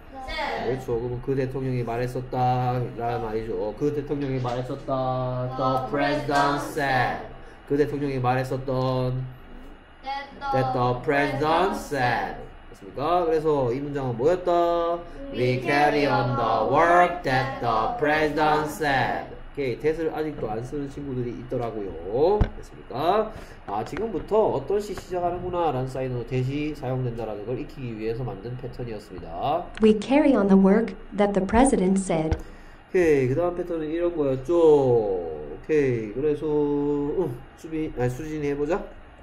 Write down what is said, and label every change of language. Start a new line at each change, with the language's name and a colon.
Korean: 네. 그렇죠. 그럼 그 대통령이 말했었다 라는 말이죠. 그 대통령이 말했었다.
English: The president said.
Korean: 그 대통령이 말했었던
English: that the president said.
Korean: 맞습니까? 그래서 이 문장은 뭐였다?
English: We carry on the work that the president said.
Korean: 오케이, 대스를 아직도 안 쓰는 친구들이 있더라고요. 됐습니까? 아, 지금부터 어떤 시 시작하는구나 라는 사인으로 대시 사용된다라는 걸 익히기 위해서 만든 패턴이었습니다.
English: We carry on the work that the president said.
Korean: 오케이, 그 다음 패턴은 이런 거였죠. 오케이, 그래서 수진이 해보자.